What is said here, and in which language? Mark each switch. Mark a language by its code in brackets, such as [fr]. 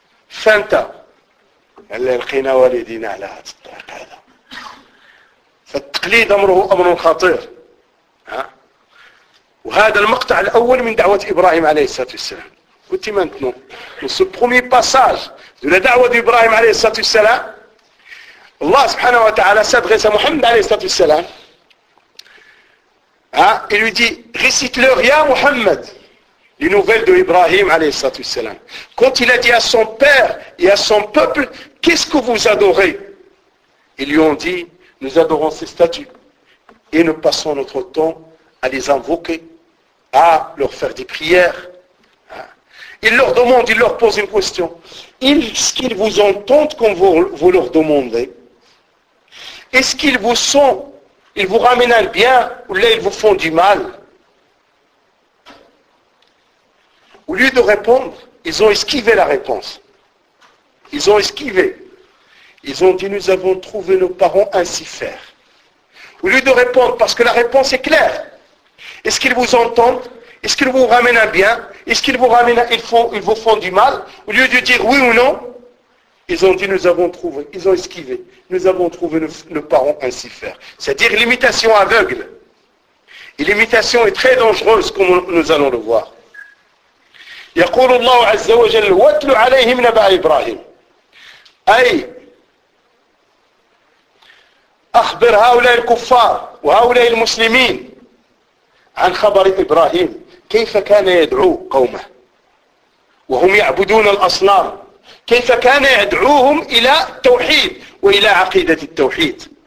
[ar] الفانتا اللي لقينا والدينا على هذا الطريق هذا فالتقليد امره امر خطير وهذا المقطع الاول من دعوه ابراهيم عليه الصلاه والسلام قلتي ما انتم [fr] ce premier passage de la da'wa d'Ibrahim [ar] عليه الصلاه والسلام الله سبحانه وتعالى [fr] s'adresse à [ar] محمد عليه الصلاه والسلام [fr] il lui dit récite-leur [ar] يا محمد. [fr] Les nouvelles de Ibrahim alayhi salatu wassalam. Quand il a dit à son père et à son peuple, qu'est-ce que vous adorez? Ils lui ont dit, nous adorons ces statues et nous passons notre temps à les invoquer, à leur faire des prières. Il leur demande, il leur pose une question. Est-ce qu'ils vous entendent quand vous leur demandez? Est-ce qu'ils vous sont, ils vous ramènent un bien ou là ils vous font du mal? Au lieu de répondre, ils ont esquivé la réponse. Ils ont esquivé. Ils ont dit, nous avons trouvé nos parents ainsi faire. Au lieu de répondre, parce que la réponse est claire. Est-ce qu'ils vous entendent? Est-ce qu'ils vous ramènent un bien? Est-ce qu'ils vous ramènent, ils vous font du mal? Au lieu de dire oui ou non, ils ont dit, nous avons trouvé. Ils ont esquivé. Nous avons trouvé nos parents ainsi faire. C'est-à-dire l'imitation aveugle. L'imitation est très dangereuse, comme nous allons le voir. [ar] يقول الله عز وجل واتل عليهم نبأ إبراهيم أي أخبر هؤلاء الكفار وهؤلاء المسلمين عن خبر إبراهيم كيف كان يدعو قومه وهم يعبدون الأصنام كيف كان يدعوهم إلى التوحيد وإلى عقيدة التوحيد